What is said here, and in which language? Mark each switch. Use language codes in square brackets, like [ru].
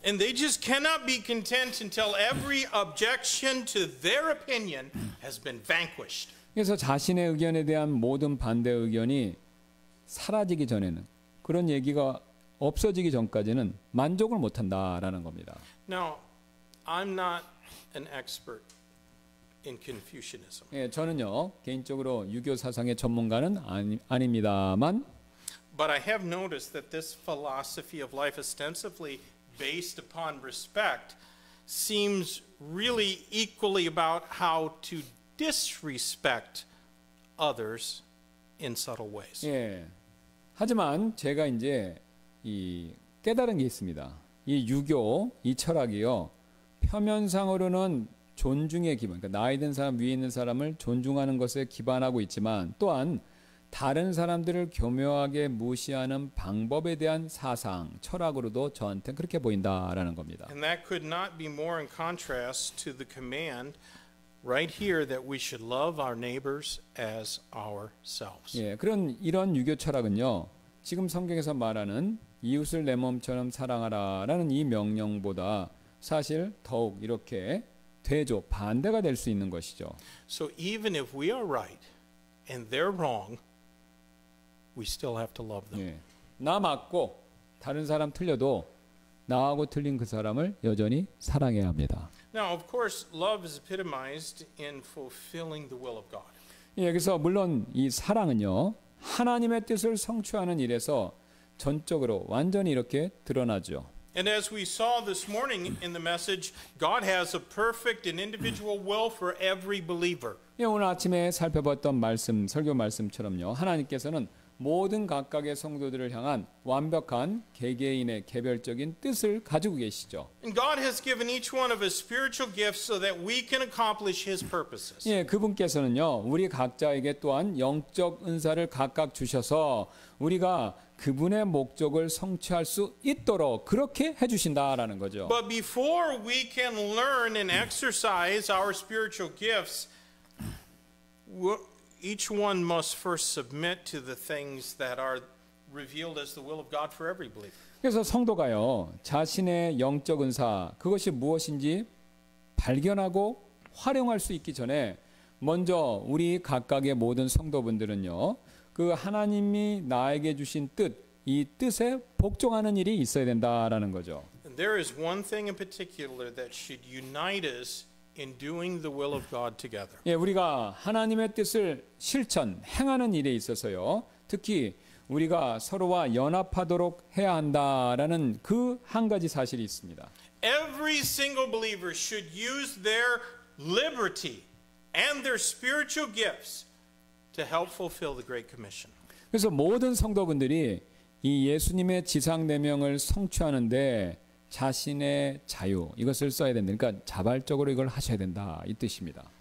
[en] And they just cannot be content until every objection to their opinion has been vanquished. [ko] 그래서 자신의 의견에 대한 모든 반대 의견이 사라지기 전에는 그런 얘기가 없어지기 전까지는 만족을 못 한다라는 겁니다. [en] Now, I'm not an expert in Confucianism. [ko] 예, 저는요. 개인적으로 유교 사상의 전문가는 아닙니다만 [en] But I have noticed that this philosophy of life ostensibly based upon respect seems really equally about how to disrespect others in subtle ways. [ko] 예. 하지만 제가 이제 이 깨달은 게 있습니다. 이 유교 이 철학이요. 표면상으로는 존중의 기반, 그러니까 나이 든 사람 위에 있는 사람을 존중하는 것에 기반하고 있지만 또한 다른 사람들을 교묘하게 무시하는 방법에 대한 사상, 철학으로도 저한테 그렇게 보인다라는 겁니다. [en] And that could not be more in contrast to the command right here that we should love our neighbors as ourselves. [ko] 예, 그런 이런 유교 철학은요. 지금 성경에서 말하는 이웃을 내 몸처럼 사랑하라라는 이 명령보다 사실 더욱 이렇게 대조 반대가 될 수 있는 것이죠. [en] So even if we are right and they're wrong, we still have to love them. [ko] 예, 나 맞고 다른 사람 틀려도 나하고 틀린 그 사람을 여전히 사랑해야 합니다. [en] Now, of course, love is epitomized in fulfilling the will of God. [ko] 예, 그래서 물론 이 사랑은요 하나님의 뜻을 성취하는 일에서 전적으로 완전히 이렇게 드러나죠. [en] And as we saw this morning in the message, God has a perfect and individual will for every believer. [ko] 예, 오늘 아침에 살펴봤던 말씀 설교 말씀처럼요 하나님께서는 모든 각각의 성도들을 향한 완벽한 개개인의 개별적인 뜻을 가지고 계시죠. [en] And God has given each one of us spiritual gifts so that we can accomplish his purposes. [ko] 예, 그분께서는요. 우리 각자에게 또한 영적 은사를 각각 주셔서 우리가 그분의 목적을 성취할 수 있도록 그렇게 해 주신다라는 거죠. [en] But before we can learn and exercise our spiritual gifts, Each one must first submit to the things that are revealed as the will of God for every believer. [ko] 그래서 성도가요 자신의 영적 은사 그것이 무엇인지 발견하고 활용할 수 있기 전에 먼저 우리 각각의 모든 성도분들은요 그 하나님이 나에게 주신 뜻 이 뜻에 복종하는 일이 있어야 된다라는 거죠. [en] And there is one thing in particular that should unite us. In doing the will of God together. [ko] 예, 우리가 하나님의 뜻을 실천 행하는 일에 있어서요, 특히 우리가 서로와 연합하도록 해야 한다라는 그 한 가지 사실이 있습니다. [en] Every single believer should use their liberty and their spiritual gifts to help fulfill the Great Commission. [ko] 그래서 모든 성도분들이 이 예수님의 지상 내명을 성취하는데 자신의 자유 이것을 써야 된다. 그러니까 자발적으로 이걸 하셔야 된다 이 뜻입니다.